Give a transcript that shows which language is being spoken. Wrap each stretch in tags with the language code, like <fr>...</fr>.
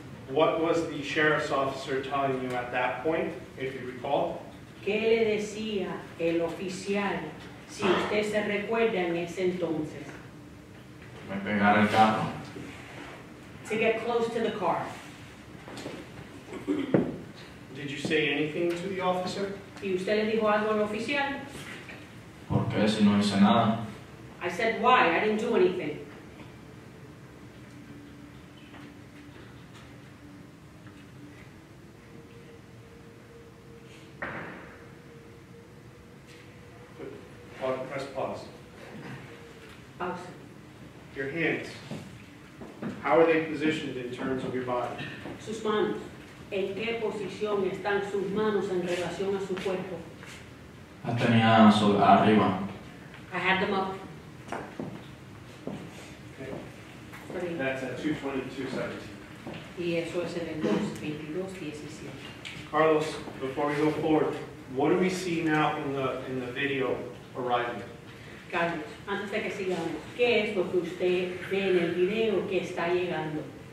<en>What was the Sheriff's Officer telling you at that point, if you recall?</en> <es>¿Qué le decía el oficial, si usted se recuerda, en ese entonces? Me pegara el carro.</es> <en>To get close to the car. Did you say anything to the officer?</en> <es>¿Y usted le dijo algo al oficial? ¿Por qué si no hice nada?</es> <en>I said why, I didn't do anything. Press pause. Pause. Your hands, how are they positioned in terms of your body?</en> <es>Sus manos. ¿En qué posición están sus manos en relación a su cuerpo? Las tenía sobre, arriba.</es> <en>I had them up. Okay. That's at 2:22:17.</en> <es>Y eso es en el 2:22:17.</es> <en>Carlos, before we go forward, What do we see now in the video arriving?</en> <es>Carlos, antes de que sigamos, ¿qué es lo que usted ve en el video que está llegando?</es>